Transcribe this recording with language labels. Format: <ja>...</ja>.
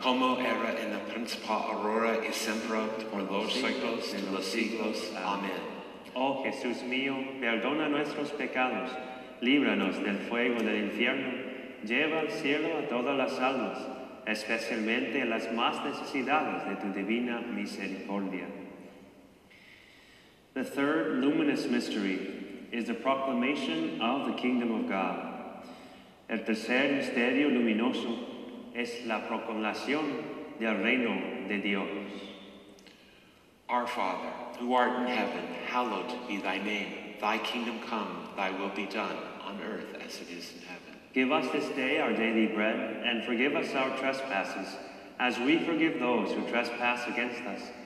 <es>Como era en el principio, ahora y siempre, por los siglos de los siglos. Amén. Oh Jesús mío, perdona nuestros pecados, líbranos del fuego del infierno, lleva al cielo a todas las almas, especialmente las más necesitadas de tu divina misericordia.</es> <en>The third luminous mystery is the proclamation of the kingdom of God.</en> <es>El tercer misterio luminoso es la proclamación del reino de Dios.</es> <en>Our Father, who art in heaven, hallowed be thy name. Thy kingdom come, thy will be done, on earth as it is in heaven. Give us this day our daily bread, and forgive us our trespasses, as we forgive those who trespass against us.</en>